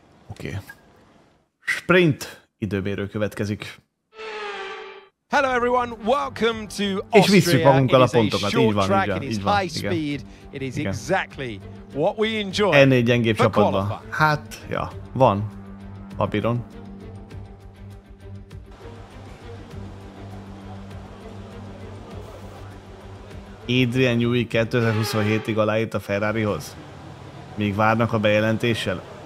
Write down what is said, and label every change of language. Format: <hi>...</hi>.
<hu>Okay. Sprint időmérő következik.</hu> <en>Hello everyone, welcome to Austria.</en> <hu>És visszük magunkkal a pontokat, így van,</hu> <en>track,</en> <hu>így van,</hu> <en>high speed. It is exactly what we enjoy.</en> <hu>Ennél gyengébb csapatban. Hát, ja, van. Papíron. Adrian Newey 2027-ig aláírt a Ferrarihoz. Még várnak a bejelentéssel.</hu>